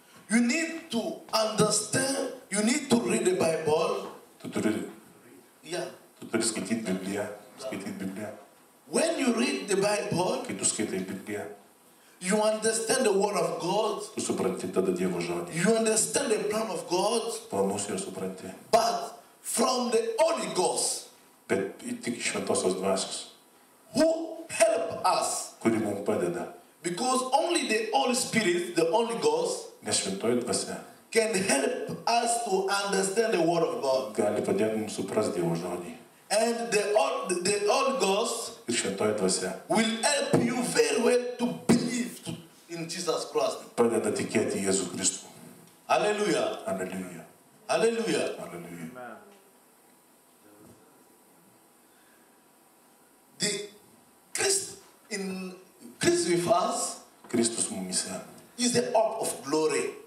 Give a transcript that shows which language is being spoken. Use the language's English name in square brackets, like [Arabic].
[English] You need to understand, you need to read the Bible. [Lithuanian] Tu turi. [English] Yeah. [Lithuanian] Tu turi skaityti Bibliją, skaityti Bibliją. [English] When you read the Bible, [Lithuanian] que tu skaitai Bibliją. [English] You understand the word of God. [Lithuanian] Tu supranti tada Dievo žodį. [English] You understand the plan of God. [Lithuanian] Planus jo supranti. [English] But from the Holy Ghost. [Lithuanian] Bet tik iš Šventosios Dvasios. [English] Who help us? [Lithuanian] Kuri mum padeda. [English] Because only the Holy Spirit, the Holy Ghost, [Lithuanian] nes Šventoji Dvasia, [English] can help us to understand the word of God. [Lithuanian] Gali padėti mums suprasti Dievo žodį. [English] And the Holy Ghost, [Lithuanian] ir Šventoji Dvasia, [English] will help you very well to believe in Jesus Christ. [Lithuanian] Padeda tikėti Jėzų Kristų. [English] Alleluja. [Lithuanian] Alleluja. [English] Alleluja. [Lithuanian] Alleluja. [English] The Christ in Christ with us, [Lithuanian] Kristus mumise, [English] is the hope of glory.